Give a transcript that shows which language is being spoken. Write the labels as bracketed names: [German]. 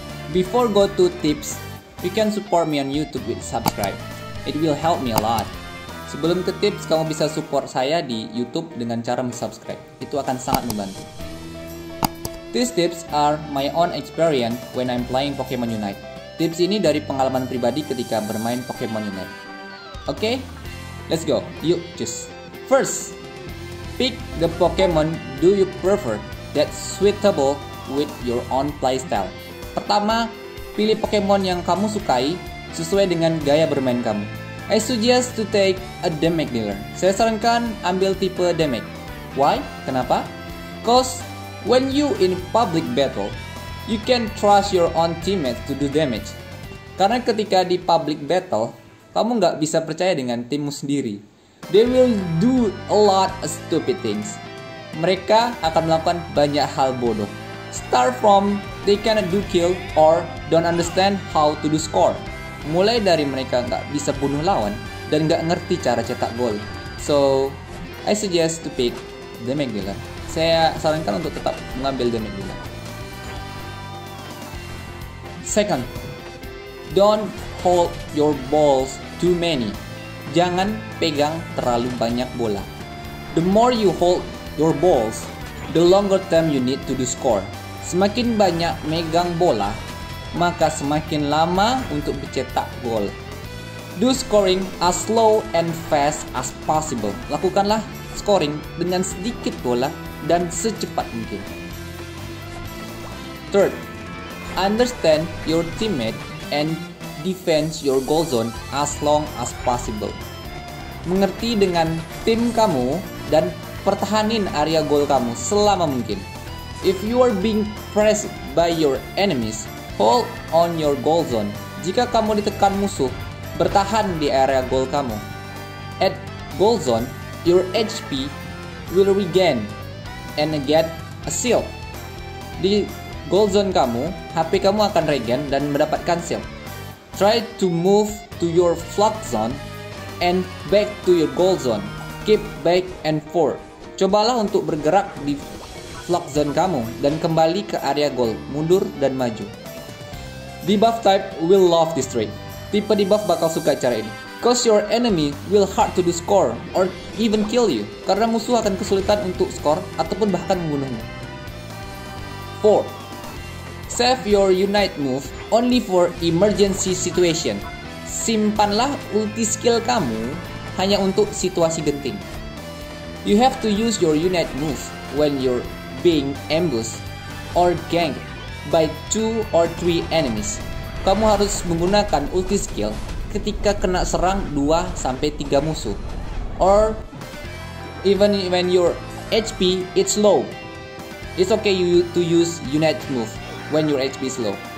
[English] Before go to tips, you can support me on YouTube with subscribe. It will help me a lot. [Indonesian] Sebelum ke tips, kamu bisa support saya di YouTube dengan cara subscribe. Itu akan sangat membantu. [English] These tips are my own experience when I'm playing Pokemon Unite. [Indonesian] Tips ini dari pengalaman pribadi ketika bermain Pokemon Unite. [English] Okay? Let's go. You choose. First, pick the Pokemon do you prefer that suitable with your own playstyle. [Indonesian] Pertama, pilih Pokemon yang kamu sukai sesuai dengan gaya bermain kamu. [English] I suggest to take a damage dealer. [Indonesian] Saya sarankan ambil tipe damage. [English] Why? [Indonesian] Kenapa? [English] Cause when you in public battle, you can trust your own teammates to do damage. [Indonesian] Karena ketika di public battle, kamu nggak bisa percaya dengan timmu sendiri. [English] They will do a lot of stupid things. [Indonesian] Mereka akan melakukan banyak hal bodoh. [English] Start from they cannot do kill or don't understand how to do score. [Indonesian] Mulai dari mereka nggak bisa bunuh lawan dan nggak ngerti cara cetak gol. [English] So, I suggest to pick damage dealer. [Indonesian] Saya sarankan untuk tetap mengambil damage dealer. [English] Second, don't hold your balls too many. [Indonesian] Jangan pegang terlalu banyak bola. [English] The more you hold your balls, the longer time you need to do score. [Indonesian] Semakin banyak megang bola, maka semakin lama untuk mencetak gol. [English] Do scoring as slow and fast as possible. [Indonesian] Lakukanlah scoring dengan sedikit bola dan secepat mungkin. [English] Third, understand your teammate and defend your goal zone as long as possible. [Indonesian] Mengerti dengan tim kamu dan pertahanin area gol kamu selama mungkin. [English] If you are being pressed by your enemies, hold on your goal zone. [Indonesian] Jika kamu ditekan musuh, bertahan di area gol kamu. [English] At goal zone, your HP will regain and get a shield. [Indonesian] Di goal zone kamu, HP kamu akan regain dan mendapatkan shield. [English] Try to move to your flux zone and back to your goal zone. Keep back and forth. [Indonesian] Cobalah untuk bergerak di flux zone kamu dan kembali ke area goal, mundur dan maju. [English] Debuff type will love this trick. [Indonesian] Tipe debuff bakal suka cara ini. [English] Cause your enemy will hard to do score or even kill you. [Indonesian] Karena musuh akan kesulitan untuk score ataupun bahkan membunuhmu. 4. [English] Save your unite move only for emergency situation. [Indonesian] Simpanlah ulti skill kamu hanya untuk situasi genting. [English] You have to use your unite move when you're being ambushed or ganked by 2 or 3 enemies. [Indonesian] Kamu harus menggunakan ulti skill ketika kena serang 2-3 musuh. [English] Or even when your HP is low, it's okay you to use unite move when your HP is low.